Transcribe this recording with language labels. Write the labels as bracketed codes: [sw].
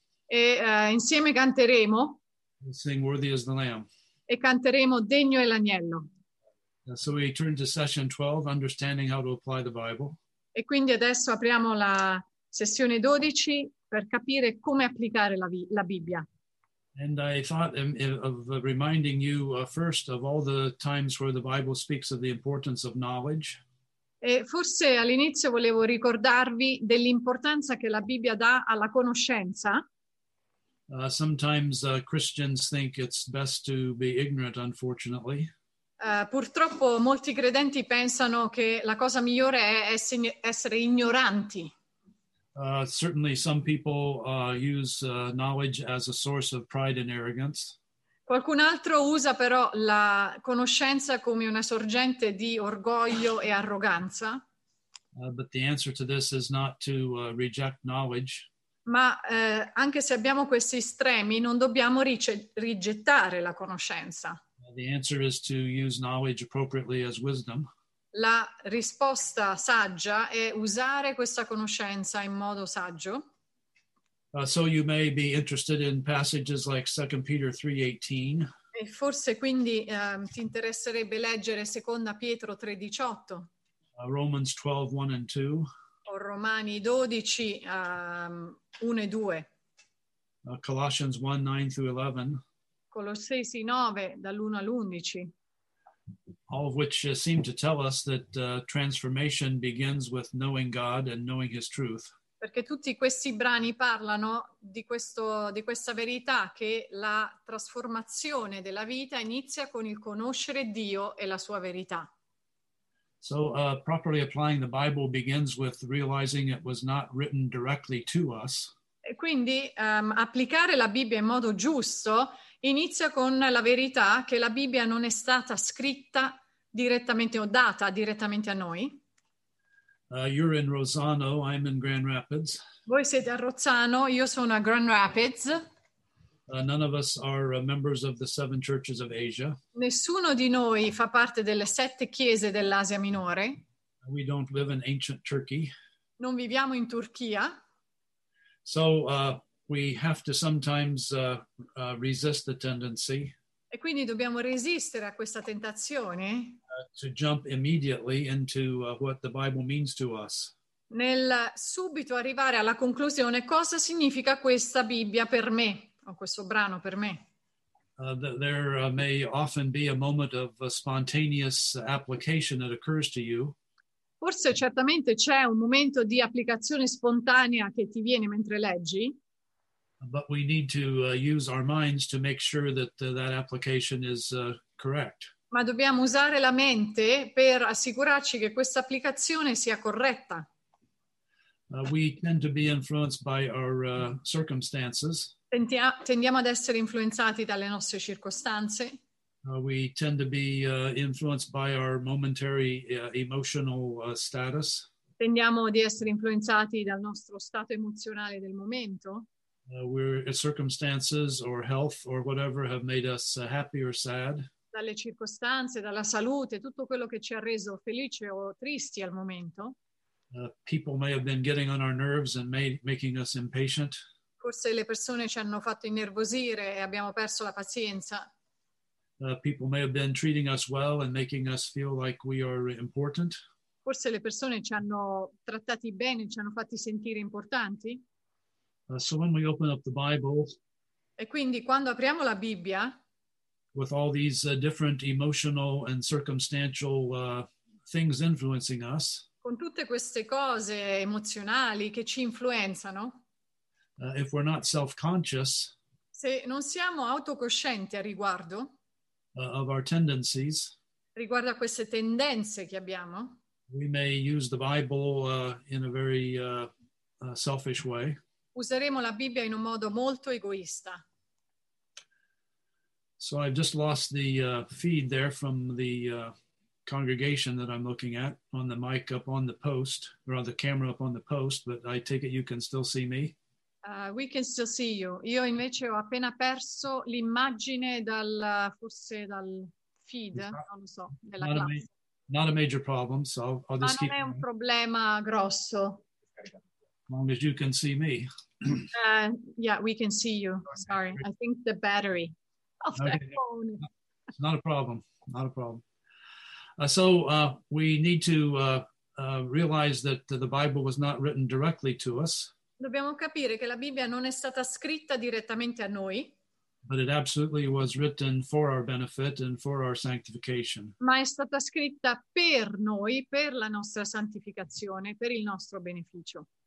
[it] E insieme canteremo. [en] We'll sing Worthy is the Lamb. [it] E canteremo Degno è l'Agnello. [en] So we turn to session 12, understanding how to apply the Bible. [it] E quindi adesso apriamo la sessione 12 per capire come applicare la Bibbia. [en] And I thought of reminding you first of all the times where the Bible speaks of the importance of knowledge. [it] E forse all'inizio volevo ricordarvi dell'importanza che la Bibbia dà alla conoscenza. [en] Sometimes Christians think it's best to be ignorant, unfortunately. [it] Purtroppo molti credenti pensano che la cosa migliore è essere ignoranti. [en] Certainly some people use knowledge as a source of pride and arrogance. [it] Qualcun altro usa però la conoscenza come una sorgente di orgoglio e arroganza. [en] But the answer to this is not to reject knowledge. [it] Ma anche se abbiamo questi estremi, non dobbiamo rigettare la conoscenza. [en] The answer is to use knowledge appropriately as wisdom. [it] La risposta saggia è usare questa conoscenza in modo saggio. [en] So you may be interested in passages like 2 Peter 3:18. [it] E forse quindi ti interesserebbe leggere 2 Pietro 3:18. [en] Romans 12:1 and 2. [it] O Romani 12, 1 e 2. [en] Colossians 1:9 through 11. [it] Colossesi 9, dall'1 all'11. [en] All of which seem to tell us that transformation begins with knowing God and knowing His truth. [it] Perché tutti questi brani parlano di questa verità che la trasformazione della vita inizia con il conoscere Dio e la sua verità. [en] So properly applying the Bible begins with realizing it was not written directly to us. [it] E quindi applicare la Bibbia in modo giusto inizia con la verità che la Bibbia non è stata scritta direttamente o data direttamente a noi. [en] You're in Rosano, I'm in Grand Rapids. [it] Voi siete a Rozzano, io sono a Grand Rapids. [en] None of us are members of the seven churches of Asia. [it] Nessuno di noi fa parte delle sette chiese dell'Asia Minore. [en] We don't live in ancient Turkey. [it] Non viviamo in Turchia. [en] So we have to sometimes resist the tendency. [it] E quindi dobbiamo resistere a questa tentazione. [en] To jump immediately into what the Bible means to us. [it] Nel subito arrivare alla conclusione, cosa significa questa Bibbia per me, o questo brano per me? [en] There may often be a moment of a spontaneous application that occurs to you. [it] Forse certamente c'è un momento di applicazione spontanea che ti viene mentre leggi. [en] But we need to use our minds to make sure that that application is correct. [it] Ma dobbiamo usare la mente per assicurarci che questa applicazione sia corretta. [en] We tend to be influenced by our circumstances. [it] Tendiamo ad essere influenzati dalle nostre circostanze. [en] We tend to be influenced by our momentary emotional status. [it] Tendiamo di essere influenzati dal nostro stato emozionale del momento. [en] Circumstances or health or whatever have made us happy or sad. [it] Dalle circostanze, dalla salute, tutto quello che ci ha reso felici o tristi al momento. [en] People may have been getting on our nerves and making us impatient. [it] Forse le persone ci hanno fatto innervosire e abbiamo perso la pazienza. [en] People may have been treating us well and making us feel like we are important. [it] Forse le persone ci hanno trattati bene, ci hanno fatti sentire importanti. [en] So when we open up the Bible, [it] e quindi quando apriamo la Bibbia, [en] with all these different emotional and circumstantial things influencing us, [it] con tutte queste cose emozionali che ci influenzano, [en] if we're not self-conscious, [it] se non siamo autocoscienti a riguardo, [en] of our tendencies, [it] riguardo a queste tendenze che abbiamo, [en] we may use the Bible in a very selfish way. [it] Useremo la Bibbia in un modo molto egoista. [en] So I've just lost the feed there from the congregation that I'm looking at on the mic up on the post, or on the camera up on the post, but I take it you can still see me. We can still see you. [it] Io invece ho appena perso l'immagine forse dal feed, non lo so, della not classe. [en] Not a major problem, so I'll just keep [it] Ma non è un problema grosso. [en] As long as you can see me. Yeah, we can see you. Sorry. I think the battery of that phone. It's not a problem. Not a problem. We need to realize that the Bible was not written directly to us. [it] Dobbiamo capire che la Bibbia non è stata scritta direttamente a noi. [en] But it absolutely was written for our benefit and for our sanctification. [it] Ma è stata scritta per noi, per la nostra santificazione, per il nostro beneficio.